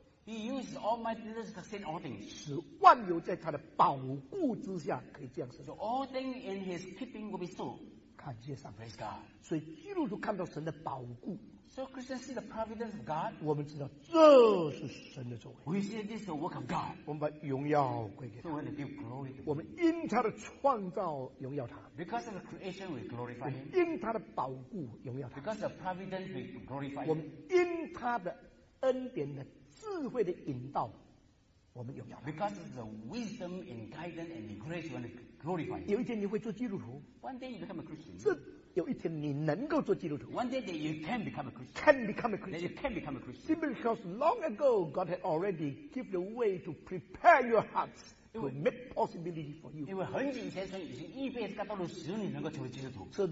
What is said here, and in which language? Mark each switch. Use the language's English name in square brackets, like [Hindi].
[English] He uses all my things to sustain all things. [Chinese] 使万有在他的保护之下可以这样生。 [English] So all things in his keeping will be so. [Chinese] 感谢上帝。 [English] Praise God. [Chinese] 所以基督徒看到神的保护。 [English] So Christians see the providence of God. [Chinese] 我们知道这是神的作为。 [English] We see this is the work of God. [Chinese] 我们把荣耀归给他。 [English] So we give glory to him. [Chinese] 我们因他的创造荣耀他。 [English] Because of the creation we glorify him. [Chinese] 因他的保护荣耀他。 [English] Because of the providence we glorify him. [Chinese] 我们因他的恩典的智慧的引导，我们有要。 [English] Because the wisdom and guidance and grace will glorify. [Chinese] 有一天你会做基督徒。 [English] One day you become a Christian. [Chinese] 这有一天你能够做基督徒。 [English] One day that you can become a Christian. Can become a Christian. That you can become a Christian. Simply because long ago God had already given the way to prepare your hearts to make possibility for you. [Chinese] 因为很久以前神已经预备了道路，使你能够成为基督徒。